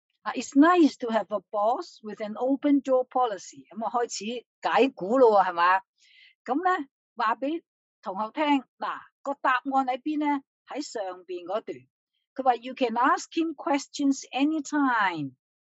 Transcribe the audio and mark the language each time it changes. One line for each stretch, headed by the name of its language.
English: It's nice to have a boss with an open door policy。
Cantonese: 咁啊，开始解股咯，系嘛？咁咧。话俾同学听，嗱、那个答案喺边咧？喺上边嗰段，佢话
English: You can ask him questions anytime.